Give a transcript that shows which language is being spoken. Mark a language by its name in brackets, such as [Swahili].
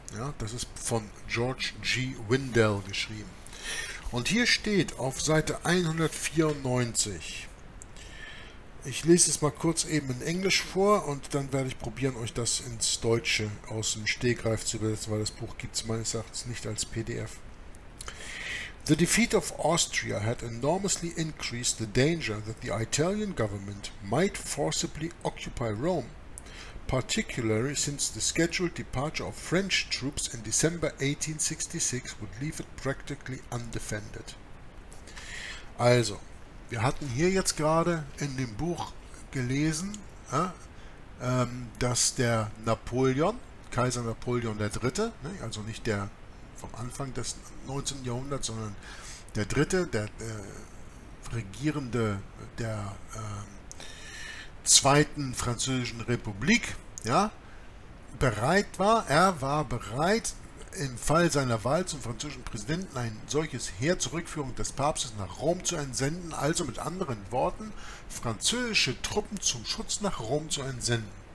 [German] Ja, das ist von George G. Wendell geschrieben. Und hier steht auf Seite 194, ich lese es mal kurz eben in Englisch vor und dann werde ich probieren, euch das ins Deutsche aus dem Stegreif zu übersetzen, weil das Buch gibt es meines Erachtens nicht als PDF. [English] The defeat of Austria had enormously increased the danger that the Italian government might forcibly occupy Rome, particularly since the scheduled departure of French troops in December 1866 would leave it practically undefended. [German] Also, wir hatten hier jetzt gerade in dem Buch gelesen, dass der Napoleon, Kaiser Napoleon III., also nicht der vom Anfang des 19. Jahrhunderts, sondern der dritte, der Regierende der Zweiten Französischen Republik, ja, er war bereit, im Fall seiner Wahl zum französischen Präsidenten ein solches Heer zur Rückführung des Papstes nach Rom zu entsenden, also mit anderen Worten, französische Truppen zum Schutz nach Rom zu entsenden.